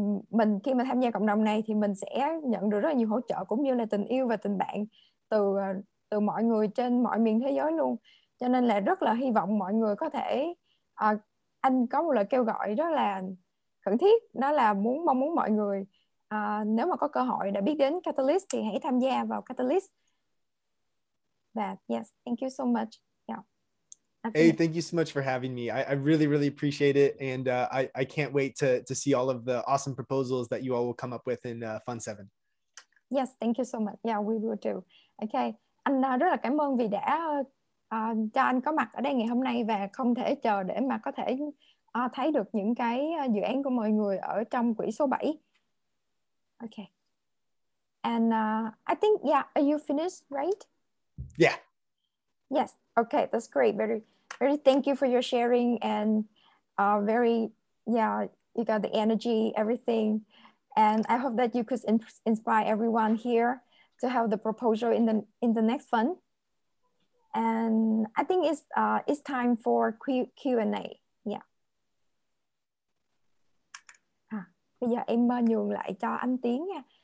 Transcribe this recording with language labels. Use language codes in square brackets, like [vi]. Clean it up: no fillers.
[vi] mình khi mà tham gia cộng đồng này thì mình sẽ nhận được rất là nhiều hỗ trợ cũng như là tình yêu và tình bạn từ mọi người trên mọi miền thế giới luôn, cho nên là rất là hy vọng mọi người có thể anh có một lời kêu gọi đó là khẩn thiết, đó là mong muốn mọi người nếu mà có cơ hội đã biết đến Catalyst thì hãy tham gia vào Catalyst. [en] Và yes, thank you so much. Yeah. Hey, thank you so much for having me. I really, really appreciate it and I can't wait to see all of the awesome proposals that you all will come up with in Fund 7. Yes, thank you so much. Yeah, we will too. [vi] Okay, anh rất là cảm ơn vì đã cho anh có mặt ở đây ngày hôm nay và không thể chờ để mà có thể thấy được những cái dự án của mọi người ở trong quỹ số 7. [en] Okay. And I think, yeah, are you finished, right? Yeah. Yes, okay, that's great. Very, very thank you for your sharing and you got the energy, everything. And I hope that you could inspire everyone here to have the proposal in the next fund. And I think it's time for Q&A. [vi] Bây giờ em nhường lại cho anh Tiến nha.